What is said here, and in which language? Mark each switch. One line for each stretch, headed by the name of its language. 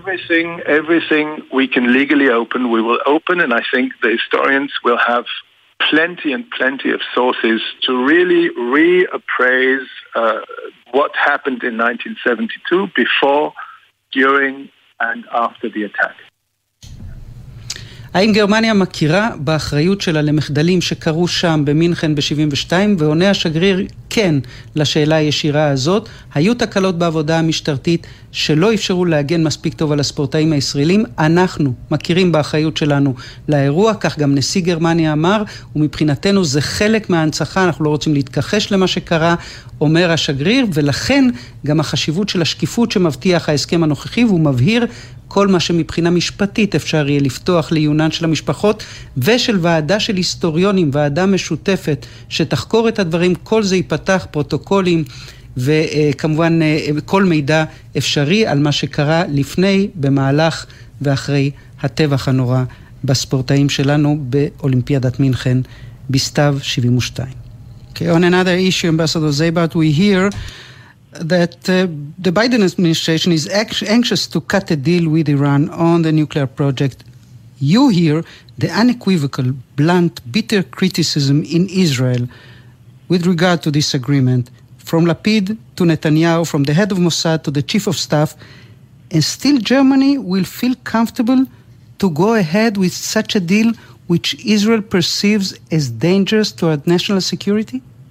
English: Everything we can legally open, we will open, and I think the historians will have plenty and plenty of sources to really reappraise what happened in 1972 before, during, and after the attack.
Hebrew: האם גרמניה מכירה באחריות שלה למחדלים שקרו שם במינכן ב-72, ועונה השגריר כן לשאלה הישירה הזאת, היו תקלות בעבודה המשטרתית שלא אפשרו להגן מספיק טוב על הספורטאים הישראלים, אנחנו מכירים באחריות שלנו לאירוע, כך גם נשיא גרמניה אמר, ומבחינתנו זה חלק מההנצחה, אנחנו לא רוצים להתכחש למה שקרה, אומר השגריר, ולכן גם החשיבות של השקיפות שמבטיח ההסכם הנוכחי, והוא מבהיר כל מה שמבחינה משפטית אפשר יהיה לפתוח לעיונן של המשפחות, ושל ועדה של היסטוריונים, ועדה משותפת שתחקור את הדברים, כל זה ייפתח, פרוטוקולים וכמובן כל מידע אפשרי על מה שקרה לפני, במהלך ואחרי הטבח הנורא בספורטאים שלנו באולימפיאדת מינכן בסתיו 72.
English: Okay, on another issue, Ambassador Zeibert, we hear that the Biden administration is anxious to cut a deal with Iran on the nuclear project. You hear the unequivocal, blunt, bitter criticism in Israel with regard to this agreement, from Lapid to Netanyahu, from the head of Mossad to the chief of staff, and still Germany will feel comfortable to go ahead with such a deal which Israel perceives as dangerous to our national security?